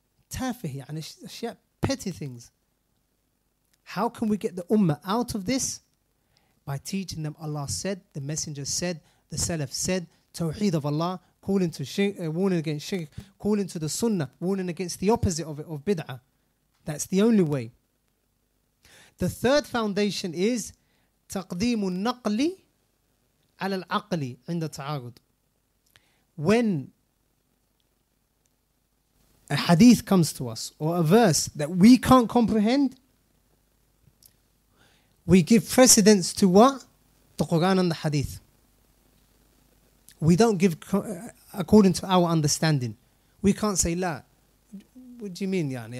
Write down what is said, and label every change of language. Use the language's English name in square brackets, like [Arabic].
[English] Tafihi, and petty things. How can we get the ummah out of this? By teaching them Allah said, the Messenger said, the Salaf said, Tawheed of Allah, calling to shirk, warning against shirk, calling to the Sunnah, warning against the opposite of it, of bid'ah. That's the only way. The third foundation is [Arabic] تقديم النقل على العقل عند التعارض. [English] When a hadith comes to us, or a verse that we can't comprehend, we give precedence to what? The Quran and the Hadith. We don't give according to our understanding. We can't say, La. What do you mean, Yani?